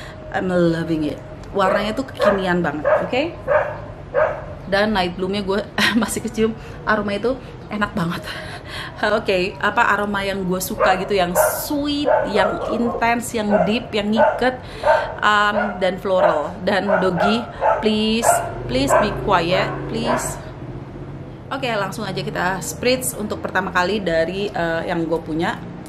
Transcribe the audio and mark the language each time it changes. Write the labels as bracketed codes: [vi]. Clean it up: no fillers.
[en] I'm loving it. [id] Warnanya tuh kekinian banget, oke? [en] Okay? [id] Dan night bloomnya gue masih kecium, aroma itu enak banget. Oke, apa aroma yang gue suka gitu, yang sweet, yang intense, yang deep, yang ngiket, dan floral. [en] Dan Doggy, please, please be quiet, please. [id] Oke, langsung aja kita spritz untuk pertama kali dari yang gue punya.